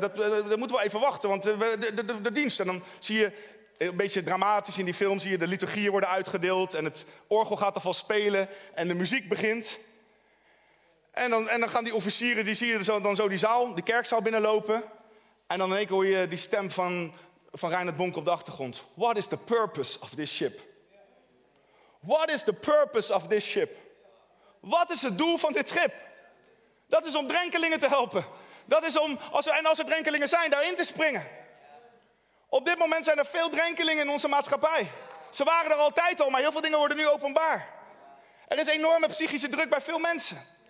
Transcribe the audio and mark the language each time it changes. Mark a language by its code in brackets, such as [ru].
[nl] Dat moeten we even wachten, want de diensten. En dan zie je, een beetje dramatisch in die film, zie je de liturgieën worden uitgedeeld. En het orgel gaat ervan spelen en de muziek begint. En dan gaan die officieren, die zie je dan zo die zaal, de kerkzaal binnenlopen. En dan in één keer hoor je die stem van Reinhard Bonnke op de achtergrond. [en] What is the purpose of this ship? What is the purpose of this ship? [nl] Wat is het doel van dit schip? Dat is om drenkelingen te helpen. Dat is om, als er drenkelingen zijn, daarin te springen. Op dit moment zijn er veel drenkelingen in onze maatschappij. Ze waren er altijd al, maar heel veel dingen worden nu openbaar. Er is enorme psychische druk bij veel mensen.